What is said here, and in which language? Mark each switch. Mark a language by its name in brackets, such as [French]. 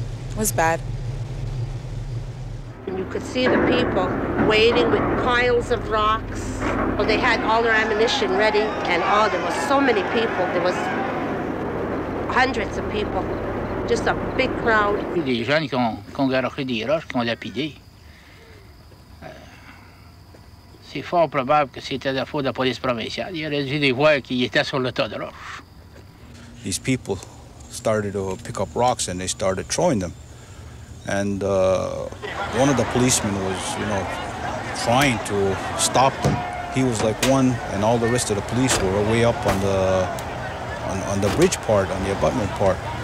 [English] It was bad. You could see the people waiting with piles of rocks. Well, they had all their ammunition ready and oh, there was so many people. There was hundreds of people, just a big crowd. [French] Des jeunes qui ont garoché des roches, qui ont lapidé. C'est fort probable que c'était la faute de la police provinciale. Il y aurait dû les voir qui étaient sur le tas de roches. [English] These people started to pick up rocks and they started throwing them. And one of the policemen was, you know, trying to stop them. He was like one, and all the rest of the police were way up on the bridge part, on the abutment part.